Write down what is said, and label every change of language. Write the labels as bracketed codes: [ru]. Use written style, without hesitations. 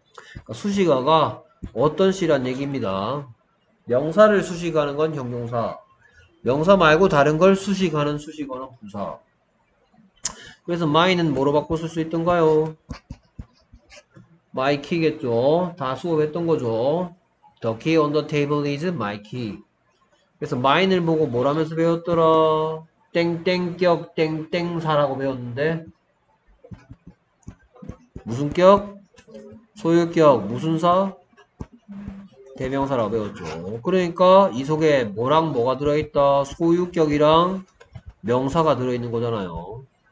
[ko] 그러니까 수식어가 어떤 시란 얘기입니다. 명사를 수식하는 건 형용사. 명사 말고 다른 걸 수식하는 수식어는 부사. 그래서 my는 뭐로 바꿔 쓸 수 있던가요? my key겠죠. 다 수업했던 거죠. [en] The key on the table is my key. [ko] 그래서 mine을 보고 뭐라면서 배웠더라? 땡땡격 땡땡사라고 배웠는데 무슨 격? 소유격 무슨 사? 대명사라고 배웠죠. 그러니까 이 속에 뭐랑 뭐가 들어있다? 소유격이랑 명사가 들어있는 거잖아요.